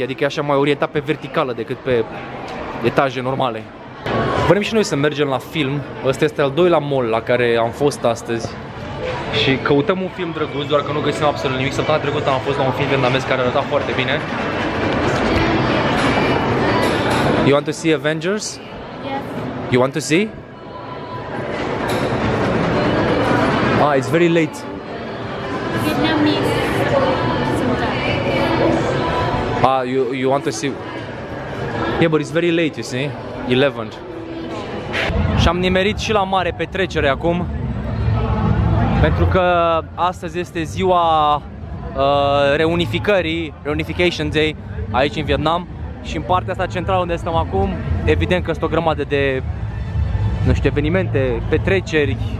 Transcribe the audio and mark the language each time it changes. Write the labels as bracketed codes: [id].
[ro] Adică e așa mai orientat pe verticală decât pe etaje normale. Vrem și noi să mergem la film. Ăsta este al doilea mall la care am fost astăzi. Și căutăm un film drăguț, doar că nu găsim absolut nimic. Săptămâna trecută am fost la un film vietnamez care arăta foarte bine. [en] You want to see Avengers? Yes. You want to see? Ah, it's very late. Vietnamese sometimes. Ah, you want to see? Yeah, but it's very late, you see? 11. [ro] Și am nimerit și la mare petrecere acum. Pentru că astăzi este ziua reunificării, Reunification Day, aici în Vietnam. Și în partea asta centrală unde stăm acum, evident că sunt o grămadă de, nu știu, evenimente, petreceri.